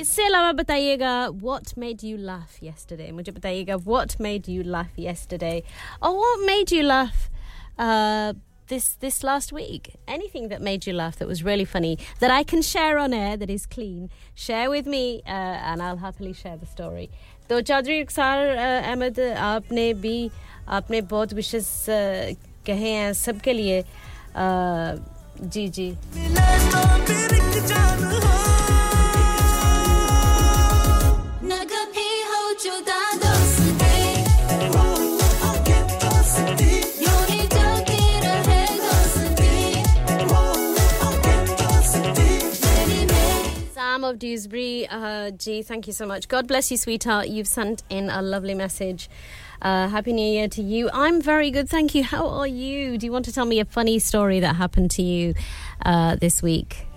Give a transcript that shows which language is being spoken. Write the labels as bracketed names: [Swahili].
[Hindi] इससे अलावा बताइएगा [English] what made you laugh yesterday. [Hindi] मुझे बताइएगा [English] what made you laugh yesterday or what made you laugh this last week. Anything that made you laugh that was really funny that I can share on air that is clean, share with me and I'll happily share the story. [Hindi] तो चौधरी अक्सर अहमद आपने भी आपने बहुत विशेष कहे हैं सबके लिए जी जी [English] of Dewsbury. Gee, thank you so much. God bless you, sweetheart. You've sent in a lovely message. Happy New Year to you. I'm very good, thank you. How are you? Do you want to tell me a funny story that happened to you this week?